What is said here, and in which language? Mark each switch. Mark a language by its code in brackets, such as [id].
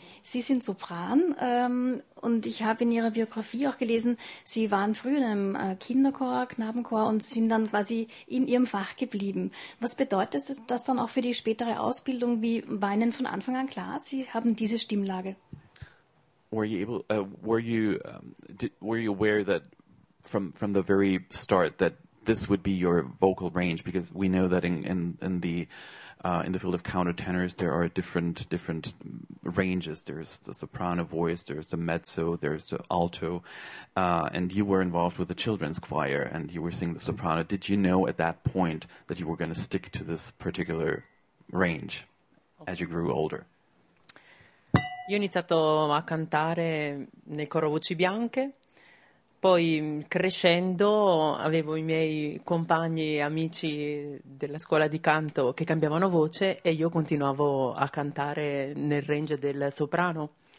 [de] Sie sind Sopran und ich habe in Ihrer Biografie auch gelesen, Sie waren früher in einem Kinderchor, Knabenchor und sind dann quasi in Ihrem Fach geblieben. Was bedeutet das dann auch für die spätere Ausbildung? Wie war Ihnen von Anfang an klar, Sie haben diese Stimmlage? [en] Were you aware that from the very start that this would be your vocal range? Because we know that in the field of countertenors, there are different ranges. There's the soprano voice, there's the mezzo, there's the alto, and you were involved with the children's choir and you were singing the soprano. Did you know at that point that you were going to stick to this particular range as you grew older? [it] Io ho iniziato a cantare nel coro Voci Bianche, poi crescendo avevo i miei compagni e amici della scuola di canto che cambiavano voce e io continuavo a cantare nel range del soprano.